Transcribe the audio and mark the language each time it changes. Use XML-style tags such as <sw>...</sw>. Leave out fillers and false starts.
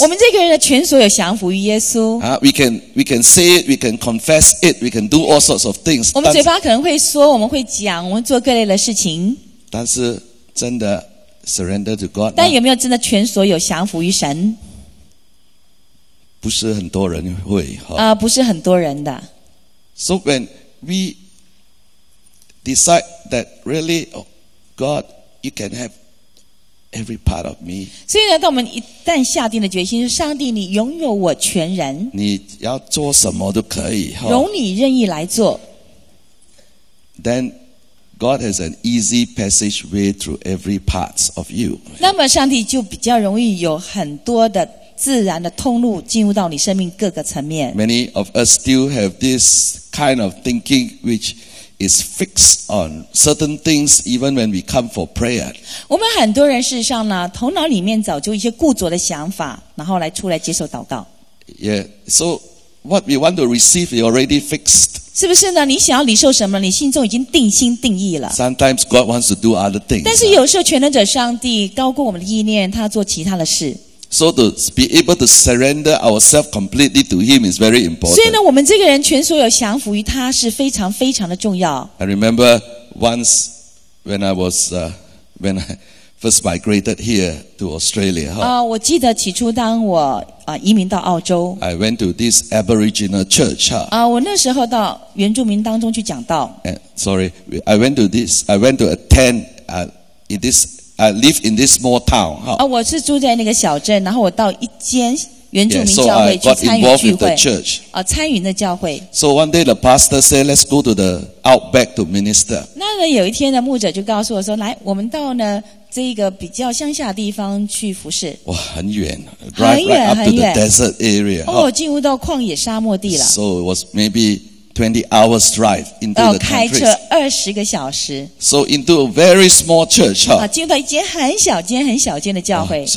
<zh>我们这个人的全所有降服于耶稣。</zh> <en>We can say it, we can confess it, we can do all sorts of things.</en> <zh>我们嘴巴可能会说，我们会讲，我们做各类的事情。但是真的</zh> <en>surrender to God.</en> <zh>但有没有真的全所有降服于神？不是很多人会啊，不是很多人的。</zh> <en>So when we decide that really, God, you can have. Every part of me.</en> <zh>所以呢，当我们一旦下定的决心，上帝，你拥有我全人。你要做什么都可以，容你任意来做。</zh> <en>Then God has an easy passageway through every parts of you.</en> <zh>那么上帝就比较容易有很多的自然的通路进入到你生命各个层面。</zh> <en>Many of us still have this kind of thinking which. Is fixed on certain things, even when we come for prayer.</en> <zh>我们很多人事实上呢，头脑里面早就一些固着的想法，然后来出来接受祷告。</zh> <en>Yeah, so what we want to receive is already fixed.</en> <zh>是不是呢？你想要领受什么？你心中已经定心定意了。</zh> <en>Sometimes God wants to do other things.</en> <zh>但是有时候全能者上帝高过我们的意念，他做其他的事。</zh> <en>So to be able to surrender ourselves completely to Him is very important.</en> <zh>所以呢，我们这个人全所有降服于他是非常非常的重要。</zh> <en>I remember once when I was when I first migrated here to Australia.</en> <zh>我记得起初当我移民到澳洲。</zh> <en>I went to this Aboriginal church.</en> <zh>我那时候到原住民当中去讲道。</zh> <en>Sorry, I went to this. I went to attend. In this. I live in this small town.</en> <zh>我是住在那个小镇，然后我到一间原住民教会</zh> <en>yeah, so I got</en> <zh>去参与聚会。</zh> <en>involved with the church.</en> <zh>参与那教会。</zh> <en>So one day the pastor said, "Let's go to the outback to minister."</en> <zh>那呢，有一天呢，牧者就告诉我说：“来，我们到呢。” 这个比较乡下的地方去服侍，哇，很远</zh> <en>，drive right up to the desert area，</en> <zh>哦，进入到旷野沙漠地了。</zh> <en>So it was maybe 20 hours drive into the country.</en> <zh>开车20个小时。</zh> <en>So into a very small church.</en> <zh>进入到一间很小间、很小间的教会。</zh>